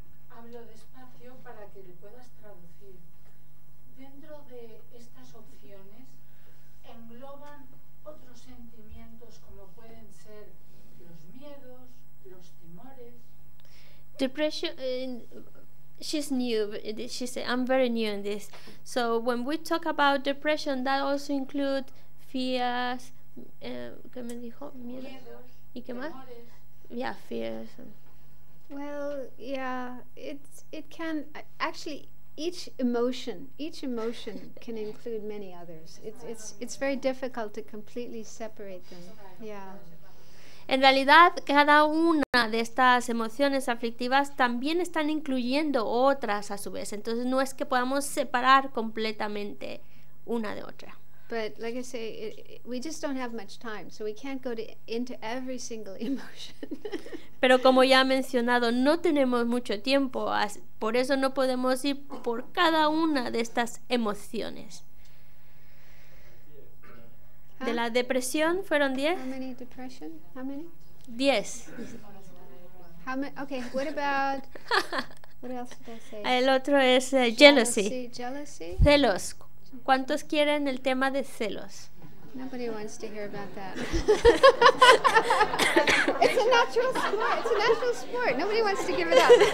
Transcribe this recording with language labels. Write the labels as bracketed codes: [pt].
[es] Hablo despacio para que le puedas traducir. Dentro de estas opciones engloban otros sentimientos como pueden ser los miedos, los temores. [en] Depression. She's new. She said, I'm very new in this. So when we talk about depression, that also include fears. [es] ¿Qué me dijo? Miedos. ¿Y qué más? [en] Yeah, fears. Well, yeah, it can actually each emotion can include many others. It's very difficult to completely separate them. Yeah. [es] En realidad, cada una de estas emociones aflictivas también están incluyendo otras a su vez. Entonces, no es que podamos separar completamente una de otra. [en] But like I say, we just don't have much time, so we can't go into every single emotion. [es] Pero como ya he mencionado, no tenemos mucho tiempo, por eso no podemos ir por cada una de estas emociones. De la depresión fueron 10. [en] How many depression? How many? 10. How many? Okay. What about? What else did I say? [es] El otro es jealousy. [en] Jealousy. [es] Celos. ¿Cuántos quieren el tema de celos? [en] Nobody wants to hear about that. It's a natural sport. It's a natural sport. Nobody wants to give it up.